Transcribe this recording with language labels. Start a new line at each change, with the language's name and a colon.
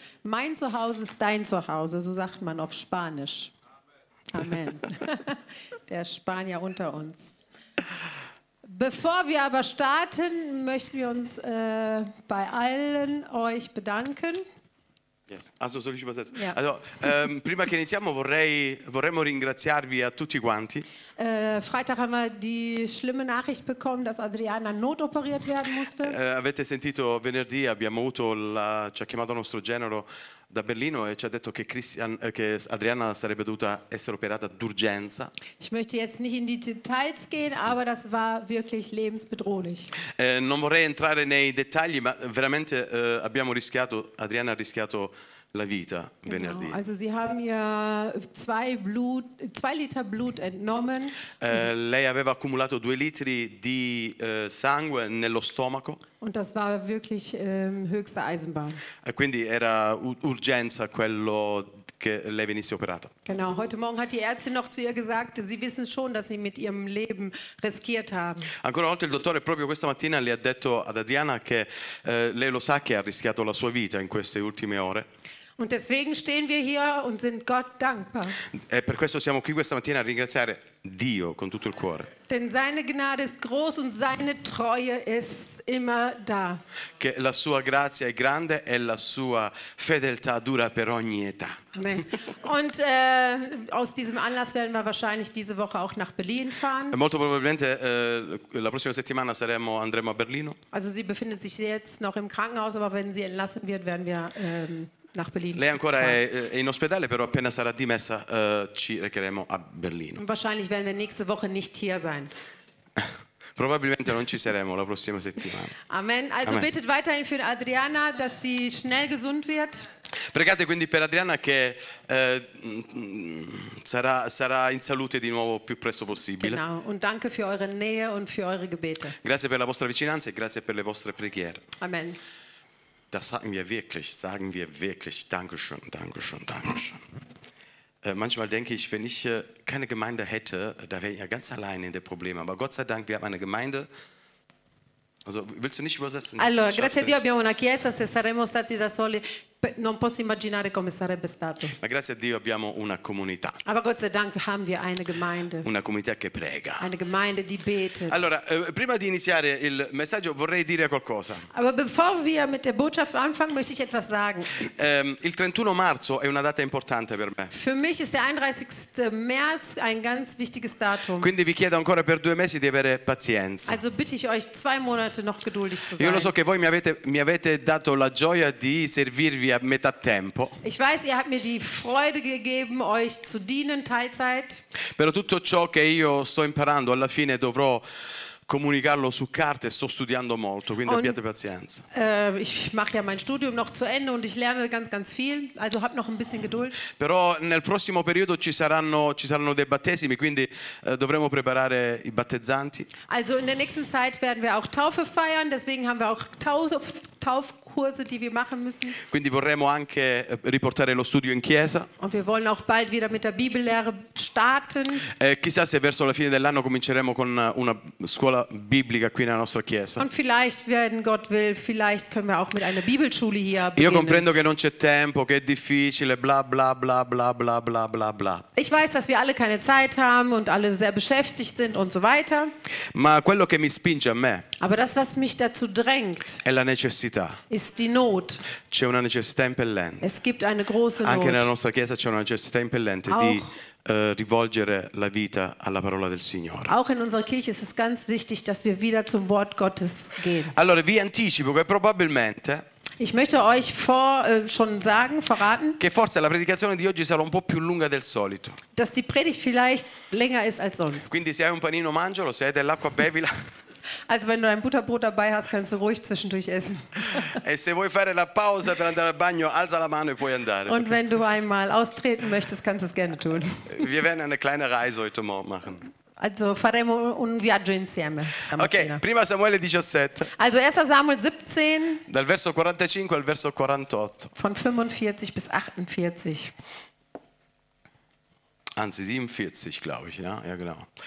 German: Mein Zuhause ist dein Zuhause, so sagt man auf Spanisch. Amen. Der Spanier unter uns. Bevor wir aber starten, möchten wir uns bei allen euch bedanken. Also soll ich übersetzen? Ja.
Italian: Also, prima che iniziamo, vorremmo ringraziarvi a tutti quanti.
German: Freitag haben wir die schlimme Nachricht bekommen, dass Adriana notoperiert werden musste.
Italian: Avete sentito venerdì abbiamo avuto ci ha chiamato il nostro genero da Berlino e ci ha detto che Adriana sarebbe dovuta essere operata d'urgenza.
German: Ich möchte jetzt nicht in die Details gehen, aber das war wirklich lebensbedrohlich.
Italian: Non vorrei entrare nei dettagli, ma veramente abbiamo rischiato, Adriana ha rischiato la vita venerdì.
German: Also sie haben ihr zwei Liter Blut entnommen.
Italian: Lei aveva accumulato due litri di sangue nello stomaco.
German: Und das war wirklich höchste Eisenbahn.
Italian: Quindi era urgenza quello che lei venisse operata.
German: Genau, heute Morgen hat die Ärztin noch zu ihr gesagt, sie wissen schon, dass sie mit ihrem Leben riskiert haben.
Italian: Ancora una volta il dottore proprio questa mattina le ha detto ad Adriana che lei lo sa che ha rischiato la sua vita in queste ultime ore.
German: Und deswegen stehen wir hier und sind Gott dankbar.
Italian: E per questo siamo qui questa mattina a ringraziare Dio con tutto il cuore.
German: Denn seine Gnade ist groß und seine Treue ist immer da.
Italian: Che la sua grazia è grande e la sua fedeltà dura per ogni età. Amen.
German: Und aus diesem Anlass werden wir wahrscheinlich diese Woche auch nach Berlin fahren.
Italian: Molto probabilmente la prossima settimana andremo a Berlino.
German: Also sie befindet sich jetzt noch im Krankenhaus, aber wenn sie entlassen wird, werden wir nach Berlin.
Italian: Lei ancora è in ospedale, però appena sarà dimessa ci recheremo a Berlino.
German: Wahrscheinlich werden wir nächste Woche nicht hier sein.
Italian: Probabilmente non ci saremo la prossima settimana.
German: Amen. Also Amen. Betet weiterhin für Adriana, dass sie schnell gesund wird.
Italian: Pregate quindi per Adriana che sarà in salute di nuovo più presto possibile.
German: Genau. Und danke für eure Nähe und für eure Gebete.
Italian: Grazie per la vostra vicinanza e grazie per le vostre preghiere. Amen.
German: Das sagen wir wirklich Dankeschön, Dankeschön, Dankeschön. Manchmal denke ich, wenn ich keine Gemeinde hätte, da wäre ich ja ganz allein in den Problemen. Aber Gott sei Dank, wir haben eine Gemeinde. Also, willst du nicht übersetzen?
Italian: Allora, grazie a Dio abbiamo una chiesa, se saremmo stati da soli, non posso immaginare come sarebbe stato. Ma grazie a Dio abbiamo una comunità.
German: Aber Gott sei Dank haben wir eine Gemeinde.
Italian: Una comunità che prega.
German: Eine Gemeinde, die betet.
Italian: Allora, prima di iniziare il messaggio vorrei dire qualcosa.
German: Aber bevor wir mit der Botschaft anfangen, möchte ich etwas sagen.
Italian: Il 31 marzo è una data importante per me.
German: Für mich ist der 31. März ein ganz wichtiges Datum.
Italian: Quindi vi chiedo ancora per due mesi di avere pazienza.
German: Also bitte ich euch zwei Monate noch geduldig zu sein.
Italian: Io lo so che voi mi avete dato la gioia di servirvi a metà tempo.
German: Ich weiß, ihr habt mir die Freude gegeben, euch zu dienen Teilzeit.
Italian: Però tutto ciò che io sto imparando alla fine dovrò comunicarlo su carta e sto studiando molto, quindi abbiate pazienza.
German: Ich mache ja mein Studium noch zu Ende und ich lerne ganz ganz viel, also habt noch ein bisschen Geduld.
Italian: Però nel prossimo periodo ci saranno dei battesimi, quindi dovremo preparare i battezzanti.
German: Also in der nächsten Zeit werden wir auch Taufe feiern, deswegen haben wir auch Taufkurse, die wir machen müssen.
Italian: Quindi vorremmo anche riportare lo studio in chiesa.
German: Und wir wollen auch bald wieder mit der Bibellehre starten.
Italian: Chissà se verso la fine dell'anno cominceremo con una scuola biblica qui nella nostra chiesa.
German: Und vielleicht, wenn Gott will, vielleicht können wir auch mit einer Bibelschule hier beginnen.
Italian: Io comprendo che non c'è tempo, che è difficile, bla bla bla bla bla bla bla bla.
German: Ich weiß, dass wir alle keine Zeit haben und alle sehr beschäftigt sind und so weiter.
Italian: Ma quello che mi spinge a me.
German: Aber das, was mich dazu drängt,
Italian: è la necessità.
German: Ist die Not.
Italian: C'è una necessità impellente.
German: Es gibt eine große Not.
Italian: Anche nella nostra chiesa c'è una necessità impellente di rivolgere la vita alla parola del Signore.
German: Auch in unserer Kirche ist es ganz wichtig, dass wir wieder zum Wort Gottes gehen.
Italian: Allora, vi anticipo che probabilmente.
German: Ich möchte euch verraten.
Italian: Che forse la predicazione di oggi sarà un po' più lunga del solito.
German: Dass die Predigt vielleicht länger ist als sonst.
Italian: Quindi se hai un panino mangialo, se hai dell'acqua bevila.
German: Also wenn du dein Butterbrot dabei hast, kannst du ruhig zwischendurch essen.
Italian: E se vuoi fare la pausa per andare al bagno, alza la mano e puoi andare.
German: Und wenn du einmal austreten möchtest, kannst du es gerne tun. Wir werden eine kleine Reise heute Morgen machen.
Italian: Also faremo un viaggio insieme. Okay, prima Samuele 17.
German: Also 1 Samuel 17.
Italian: Dal verso 45 al verso 48.
German: Von 45 bis 48.
Italian: Anzi 47,
German: glaube ich, ja, ja genau.